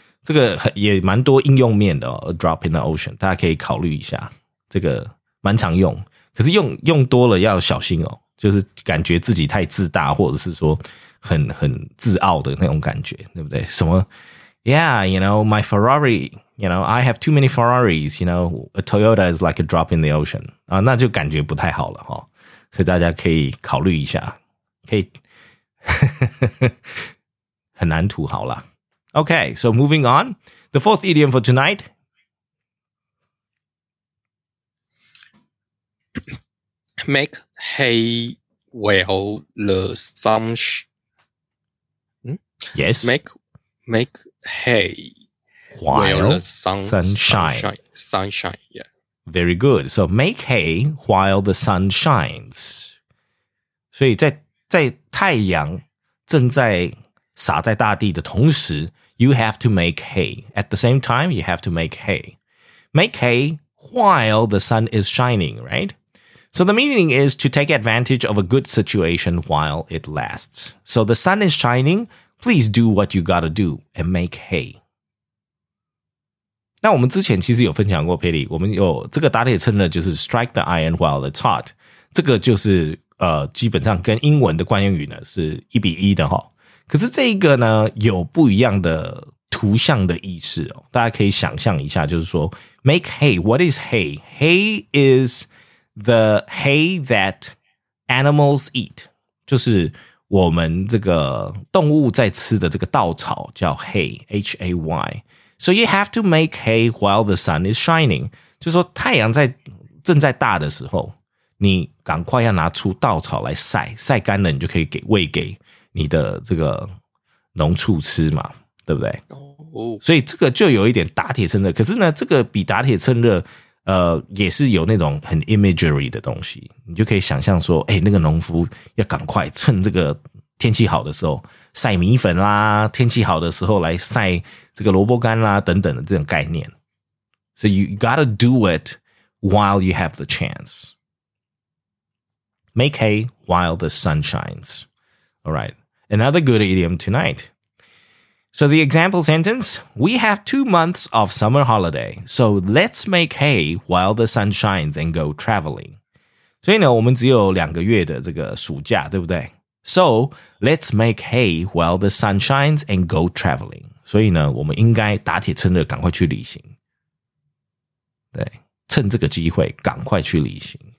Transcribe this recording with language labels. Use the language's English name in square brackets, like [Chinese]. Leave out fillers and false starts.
[Chinese] 这个也蛮多应用面的哦 ， [English] a drop in the ocean， [Chinese] 大家可以考虑一下。这个蛮常用，可是用多了要小心哦，就是感觉自己太自大，或者是说很自傲的那种感觉，对不对？什么 [English] ？Yeah, you know my Ferrari. You know I have too many Ferraris. You know a Toyota is like a drop in the ocean. [Chinese] 啊，那就感觉不太好了哈、哦。所以大家可以考虑一下，可以很难土豪啦。 [English] Okay, so moving on, the fourth idiom for tonight. Make hay while the sun Yes. Make hay while the sunshine. Yeah. Very good. So make hay while the sun shines. [Chinese] 所以在太阳正在洒在大地的同时。 [English] You have to make hay. At the same time, you have to make hay. Make hay while the sun is shining, right? So the meaning is to take advantage of a good situation while it lasts. So the sun is shining, please do what you gotta do and make hay. [Chinese] 那我们之前其实有分享过 Pity, 我们有这个打铁趁热就是 [English] strike the iron while it's hot. [Chinese] 这个就是基本上跟英文的惯用语呢是一比一的齁。可是这一个呢有不一样的图像的意思哦。大家可以想象一下，就是说 [English] make hay, what is hay? Hay is the hay that animals eat. [Chinese] 就是我们这个动物在吃的这个稻草叫 hay, H-A-Y. [English] So you have to make hay while the sun is shining. [Chinese] 就是说太阳在正在大的时候，你赶快要拿出稻草来晒，晒干了你就可以给喂给你的这个农畜吃嘛，对不对？所以这个就有一点打铁趁热，可是呢这个比打铁趁热也是有那种很 imagery 的东西，你就可以想象说诶，那个农夫要赶快趁这个天气好的时候晒米粉啦，天气好的时候来晒这个萝卜干啦等等的这种概念。 [English] So you gotta do it while you have the chance. Make hay while the sun shines. All right, another good idiom tonight. So the example sentence, we have 2 months of summer holiday, so let's make hay while the sun shines and go traveling. [Chinese] 所以呢，我们只有两个月的这个暑假，对不对？ [English] So let's make hay while the sun shines and go traveling. [Chinese] 所以呢，我们应该打铁趁热赶快去旅行。对，趁这个机会赶快去旅行。